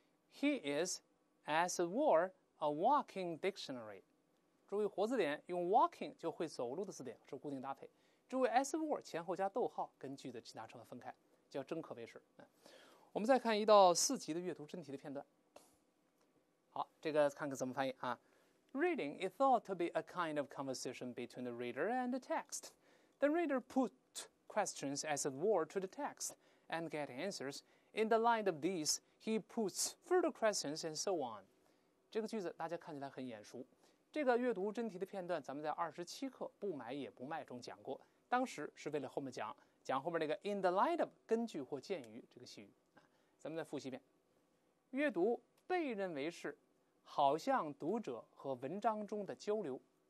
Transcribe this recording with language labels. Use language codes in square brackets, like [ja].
[en] He is, as it were, a walking dictionary. [zh] 注意活字典用 walking 就会走路的字典是固定搭配。注意 [en] as it were [zh] 前后加逗号，跟句子其他成分分开，叫真可谓是。我们再看1-4集的阅读真题的片段。好，这个看看怎么翻译啊。 [en] Reading is thought to be a kind of conversation between the reader and the text. The reader put questions as it were to the text and get answers. In the light of these, he puts further questions and so on. [zh] 这个句子大家看起来很眼熟。这个阅读真题的片段咱们在27课不买也不卖中讲过。当时是为了后面讲后面那个 [en] in the light of [zh] 根据或鉴于这个细语。咱们再复习一遍。阅读被认为是好像读者和文章中的交流。